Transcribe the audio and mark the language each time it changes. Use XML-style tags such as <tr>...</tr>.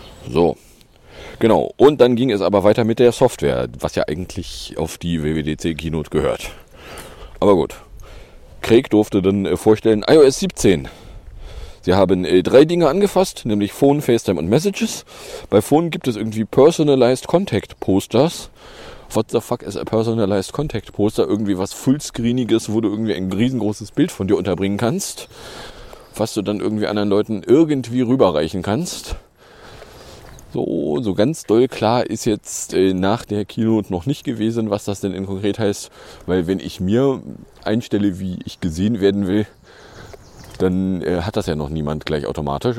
<de>So. Genau. Und dann ging es aber weiter mit der Software, was ja eigentlich auf die WWDC Keynote gehört. Aber gut. Craig durfte dann vorstellen, iOS 17. Sie haben drei Dinge angefasst, nämlich Phone, FaceTime und Messages. Bei Phone gibt es irgendwie Personalized Contact Posters.</de> <en>What the fuck is a Personalized Contact Poster?</en> <de>Irgendwie was Fullscreeniges, wo du irgendwie ein riesengroßes Bild von dir unterbringen kannst, was du dann irgendwie anderen Leuten irgendwie rüberreichen kannst. So ganz doll klar ist jetzt nach der Keynote noch nicht gewesen, was das denn in konkret heißt. Weil wenn ich mir einstelle, wie ich gesehen werden will, dann hat das ja noch niemand gleich automatisch.</de>